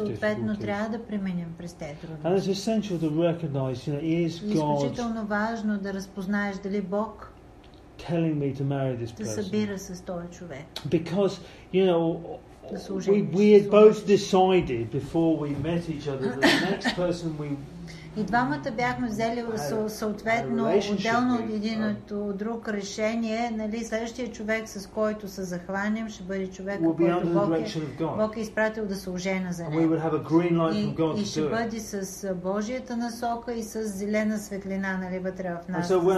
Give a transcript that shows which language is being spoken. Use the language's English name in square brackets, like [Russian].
[Bulgarian] difficulties. И съответно трябва да преминем през тези трудности. [English] And it's essential to recognize, you know, is God. [Bulgarian] Изключително важно да разпознаеш дали Бог [English] telling me to marry this person. [Bulgarian] Да събира с този човек. [English] Because, you know, We had both decided before we met each other that the next person we [Bulgarian] и двамата бяхме взели съответно отделно от единото друг решение, нали, следващия човек, с който се захванем, ще бъде човек, който Бог е изпратил да се ожена за него. И ще бъде с Божията насока и с зелена светлина, нали, вътре в нас.